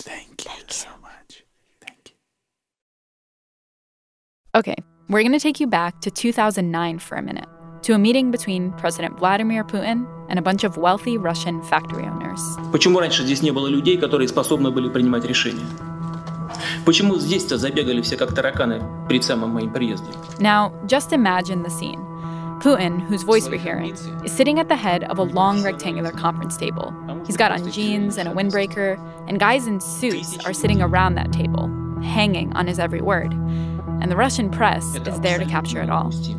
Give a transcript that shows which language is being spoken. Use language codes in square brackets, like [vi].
[en] Thank you so much. Thank you. Okay, we're going to take you back to 2009 for a minute, to a meeting between President Vladimir Putin and a bunch of wealthy Russian factory owners. Why didn't there be people here who were capable of making decisions? [ru] Почему здесь-то забегали все как тараканы перед самым моим приездом? [en] Now, just imagine the scene. Putin, whose voice we're hearing, is sitting at the head of a long rectangular conference table. He's got on jeans and a windbreaker, and guys in suits are sitting around that table, hanging on his every word. And the Russian press is there to capture it all.